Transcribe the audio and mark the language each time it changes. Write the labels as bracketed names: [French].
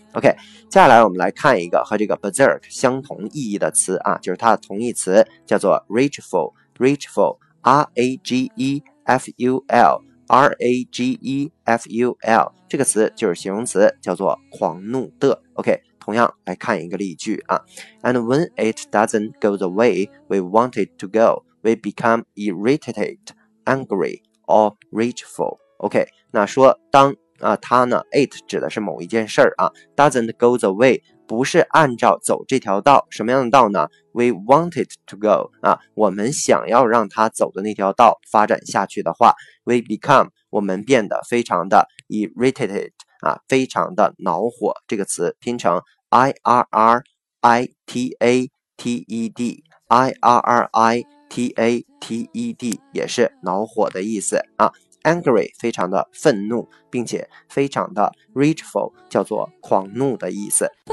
[Chinese] OK， 接下来我们来看一个和这个 berserk 相同意义的词啊，就是它的同义词，叫做 rageful R-A-G-E-F-U-L R-A-G-E-F-U-L， 这个词就是形容词，叫做狂怒的。 OK， 同样来看一个例句啊。 [English] And when it doesn't go the way we want it to go, we become irritated, angry, or rageful. [Chinese] OK， 那说当啊，它呢 ，it 指的是某一件事儿啊 ， [English] doesn't go the way， [Chinese] 不是按照走这条道，什么样的道呢 ？ [English] We want it to go [Chinese] 啊，我们想要让它走的那条道发展下去的话 ， [English] we become [Chinese] 我们变得非常的 irritated 啊，非常的恼火。这个词拼成 i r r i t a t e d i r r i t a t e d 也是恼火的意思啊。 Angry 非常的愤怒，并且非常的 rageful， 叫做狂怒的意思。